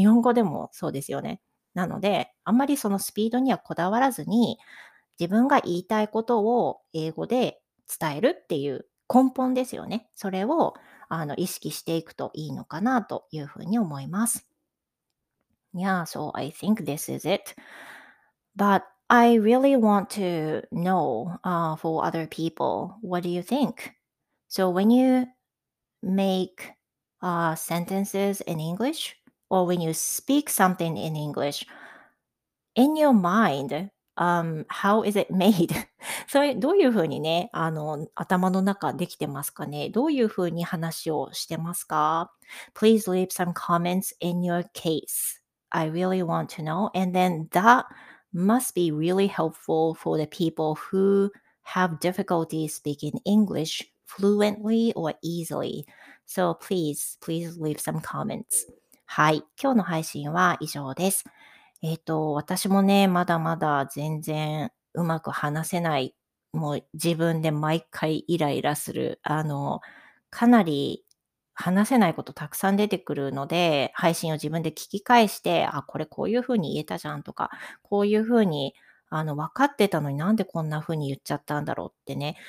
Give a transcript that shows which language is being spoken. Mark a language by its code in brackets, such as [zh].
[ja] 日本語でもそうですよね。なので、あんまりそのスピードにはこだわらずに、自分が言いたいことを英語で伝えるっていう根本ですよね。それを意識していくといいのかなというふうに思います。 [en] Yeah, so I think this is it. But I really want to know for other people, what do you think? So when you make sentences in English or when you speak something in English, in your mind,how is it made? [ja] それどういうふうにね、頭の中できてますかね？どういうふうに話をしてますか？ [en] Please leave some comments in your case. I really want to know. And then that must be really helpful for the people who have difficulty speaking English fluently or easily. So please, please leave some comments. [ja] はい、今日の配信は以上です。私もね、まだまだ全然うまく話せない。もう自分で毎回イライラする。かなり話せないことたくさん出てくるので、配信を自分で聞き返して、あ、これこういうふうに言えたじゃんとか、こういうふうに分かってたのになんでこんなふうに言っちゃったんだろうってね。